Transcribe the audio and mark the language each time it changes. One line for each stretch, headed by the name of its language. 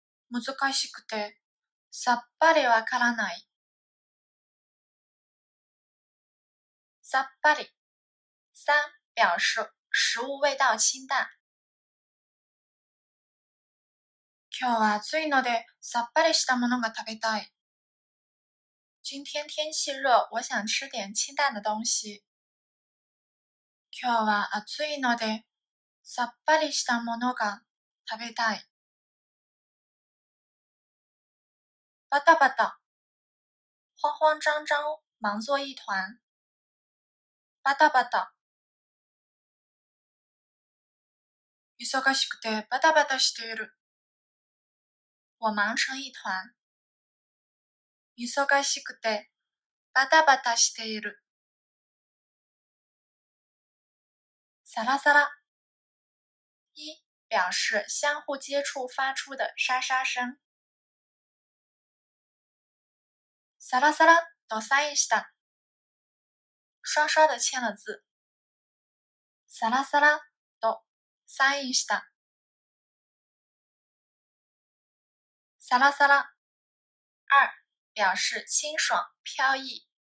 Japanese: 難しくてさっぱりわからない。
Chinese: さっぱり。三、表示食物味道清淡。
Japanese: 今日は暑いのでさっぱりしたものが食べたい。
Chinese: 今天天气热、我想吃点清淡的东西。
Japanese: 今日は暑いのでさっぱりしたものが食べたい。
Chinese: バタバタ、慌慌張張、忙作一团。
Japanese: バタバタ、忙しくてバタバタしている。
Chinese: 我忙成一团。
Japanese: 忙しくてバタバタしている。サラサラ。
Chinese: 一、表示相互接触发出的沙沙声。
Japanese: サラサラとサインした。
Chinese: 刷刷的签了字。
Japanese: サラサラとサインした。
Chinese: サラサラ。二、表示清爽、飘逸。